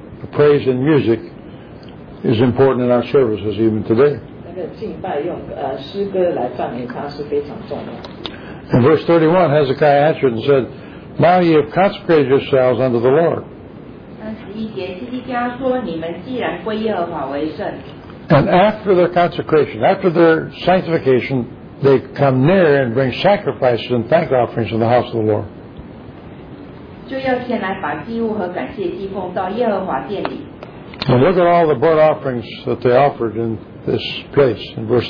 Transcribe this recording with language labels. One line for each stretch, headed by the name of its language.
English: The praise in music is important in our services even today.
Chinese: 敬拜用诗歌来赞美他是非常重要的。
English: In verse 31, Hezekiah answered and said, Now ye have consecrated yourselves unto the Lord.
Chinese: 31节, 西西家说, 你们既然归耶和华为圣,
English: and after their consecration, after their sanctification, they come near and bring sacrifices and thank offerings in the house of the Lord.
Chinese: 就要先来把祭物和感谢祭奉到耶和华殿里。
English: And look at all the burnt offerings that they offered in this place, in verse